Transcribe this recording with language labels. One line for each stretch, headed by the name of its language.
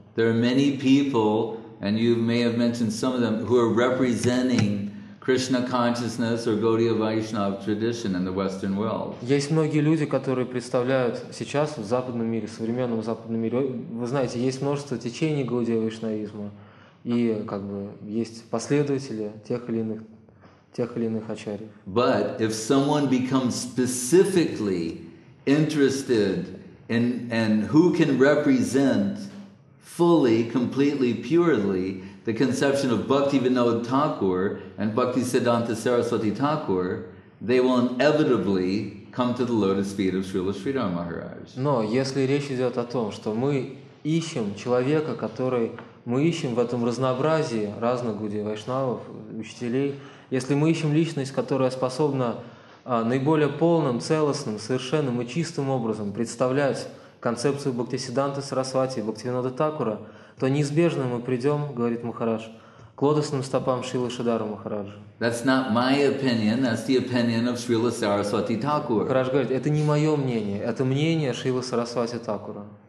English: There are many people, and you may have mentioned some of them, who are representing Krishna consciousness or Gaudiya Vaishnav tradition in the Western world.
Russian: Есть многие люди, которые представляют сейчас в западном мире, в современном западном мире. Вы знаете, есть множество течений Гаудия Вайшнавизма, и как бы есть последователи тех или иных ачарьев.
English: But if someone becomes specifically interested in and who can represent fully, completely, purely the conception of Bhaktivinoda Thakur and Bhaktisiddhanta Saraswati Thakur, they will inevitably come to the lotus feet of Srila Sridhara Maharaj.
Russian: Но если речь идет о том, что мы ищем человека, который мы ищем в этом разнообразии разных гуди вайшнавов, учителей, если мы ищем личность, которая способна наиболее полным, целостным, совершенным и чистым образом представлять концепцию Бхактисиддханты Сарасвати и Бхактивинода Такура, то неизбежно мы придем, говорит Махарадж, к лотосным стопам Шрилы Шридхара Махараджа.
English: That's not my opinion, that's the opinion of Srila Saraswati Thakur.
Russian: Махарадж говорит, это не мое мнение, это мнение Шрилы Сарасвати Такура.